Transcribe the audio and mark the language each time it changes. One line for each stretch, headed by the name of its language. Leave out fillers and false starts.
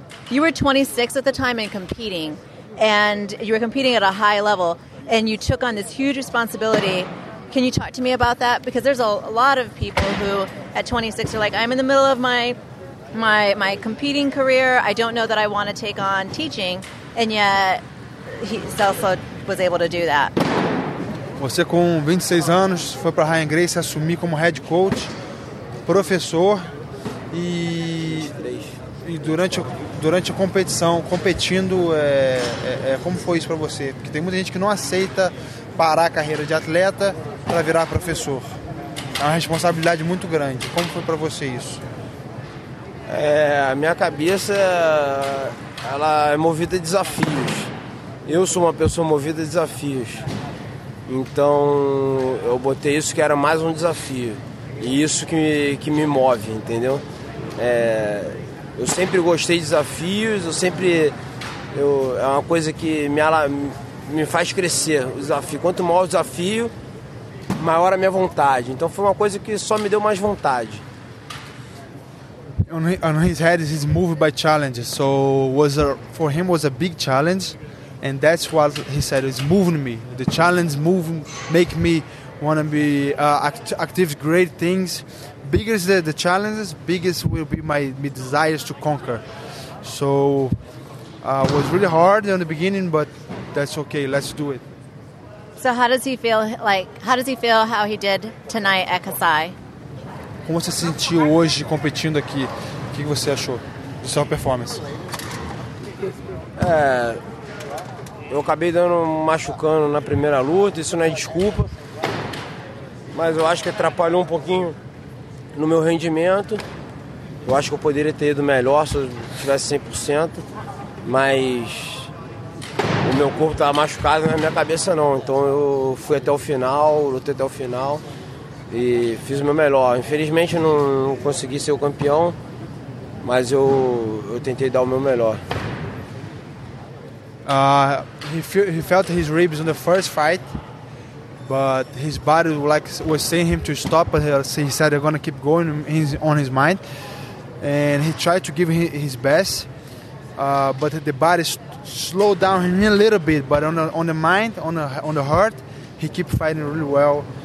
English: You were 26 at the time and competing, and you were competing at a high level, and you took on this huge responsibility. Can you talk to me about that? Because there's a lot of people who at 26 are like, I'm in the middle of my competing career. I don't know that I want to take on teaching. And yet, he also was able to do that.
Portuguese: Você com 26 anos foi para Ryan Grace assumir como head coach. professor e durante a competição, competindo, como foi isso para você? Porque tem muita gente que não aceita parar a carreira de atleta para virar professor. É uma responsabilidade muito grande. Como foi para você isso? A minha cabeça, ela é movida a desafios. Eu sou uma pessoa movida a desafios. Então, eu botei isso que era mais um desafio. E isso que me move, entendeu? Eu sempre gostei de desafios, é uma coisa que me faz crescer, o desafio. Quanto maior o desafio, maior a minha vontade. Então foi uma coisa que só me deu mais vontade.
English: On his head is moved by challenge, so for him was a big challenge, and that's what he said is moving me. The challenge moving make me want to be active, great things. Bigger is the challenges, biggest will be my desires to conquer. So it was really hard in the beginning, but that's okay. Let's do it. So how does he feel? Like how does he feel? How he did tonight at KASAI?
Portuguese: Como você se sentiu hoje competindo aqui? O que você achou da sua performance? Eu acabei machucando na primeira luta, isso não é desculpa. Mas eu acho que atrapalhou um pouquinho no meu rendimento. Eu acho que eu poderia ter ido melhor se eu tivesse 100%. Mas o meu corpo estava machucado, na minha cabeça não. Então eu fui até o final, lutei até o final. E fiz o meu melhor. Infelizmente não consegui ser o campeão, mas eu tentei dar o meu melhor.
English: He felt his ribs in the first fight, but his body was saying him to stop, but he said they're gonna keep going on his mind, and he tried to give his best, but the body slowed down him a little bit, but on the mind, on the heart, he kept fighting really well.